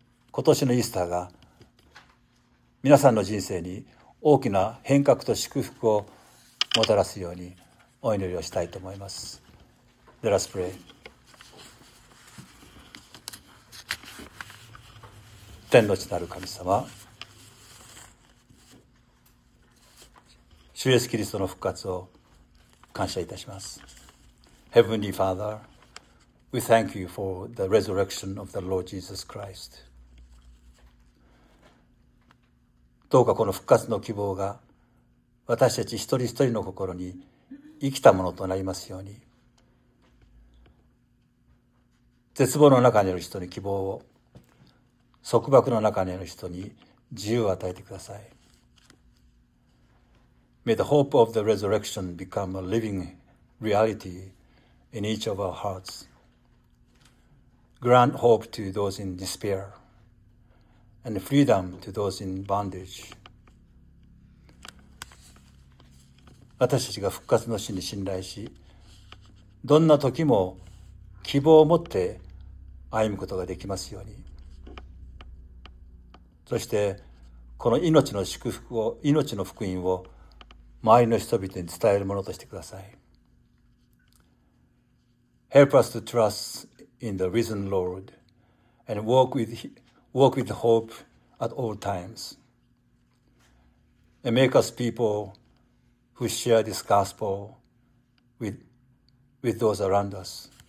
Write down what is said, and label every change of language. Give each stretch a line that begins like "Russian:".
Japanese: 今年のイースターが皆さんの人生に大きな変革と祝福をもたらすようにお祈りをしたいと思います。
English: Let us pray。
Japanese: 天の地なる神様、主イエスキリストの復活を感謝いたします。
English: Heavenly Father, we thank you for the resurrection of the Lord Jesus Christ.
Japanese: どうかこの復活の希望が私たち一人一人の心に生きたものとなりますように、絶望の中にある人に希望を、束縛の中にある人に自由を与えてください。
English: May the hope of the resurrection become a living reality in each of our hearts. Grant hope to those in despair and freedom to those in bondage.
Japanese: 私たちが復活の主に信頼し、どんな時も希望を持って歩むことができますように。そして、この命の祝福を、命の福音を周りの人々に伝えるものとしてください。
English: Help us to trust in the risen Lord and walk with hope at all times. And make us people who share this gospel with those around us.